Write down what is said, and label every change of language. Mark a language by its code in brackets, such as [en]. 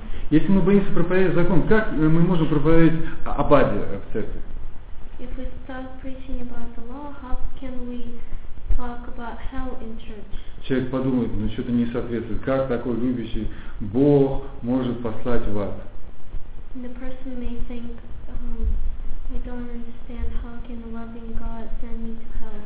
[ru] Если мы боимся проповедовать закон, как мы можем проповедовать об аде в церкви? [en] If we stop preaching about the law, how can we talk about hell in church? [ru] Человек подумает, ну что-то не соответствует. Как такой любящий Бог может послать в ад? [en] The person may think, I don't understand how can a loving God send me to hell.